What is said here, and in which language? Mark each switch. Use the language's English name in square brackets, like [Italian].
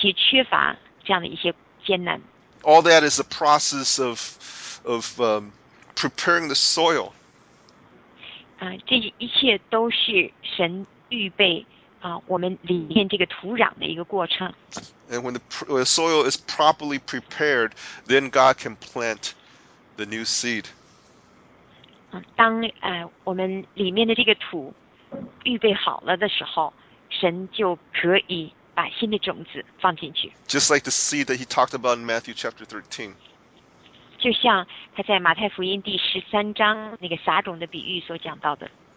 [Chinese] 尤其是我们前面谈过的，谈到的一些神试验我们，让我们经过的一些矛盾冲突，或者一些缺乏这样的一些艰难。 [English] All that is a process of preparing the soil. [Chinese] 这一切都是神预备我们里面这个土壤的一个过程。 [English] And when the soil is properly prepared, then God can plant the new seed. [Chinese] 当我们里面的这个土预备好了的时候，神就可以把新的种子放进去。 [English] Just like the seed that he talked about in Matthew chapter 13. [Chinese] 就像他在马太福音第十三章那个撒种的比喻所讲到的。